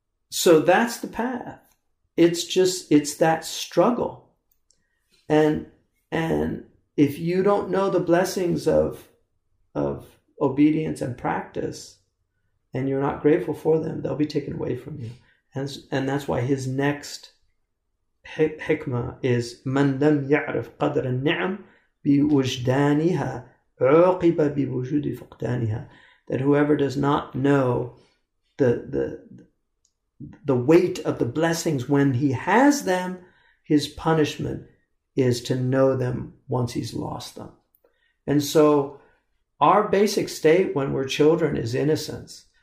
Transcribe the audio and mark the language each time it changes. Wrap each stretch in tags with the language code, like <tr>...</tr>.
<en>So that's the path. It's that struggle. And if you don't know the blessings of obedience and practice, and you're not grateful for them, they'll be taken away from you. And that's why his next hikmah is</en> <ar>مَنْ لَمْ يَعْرِفْ قَدْرَ النِّعْمِ بِوُجْدَانِهَا عُقِبَ بِوُجُودِ فُقْدَانِهَا.</ar> <en>That whoever does not know the weight of the blessings when he has them, his punishment is to know them once he's lost them. And so our basic state when we're children is innocence.</en>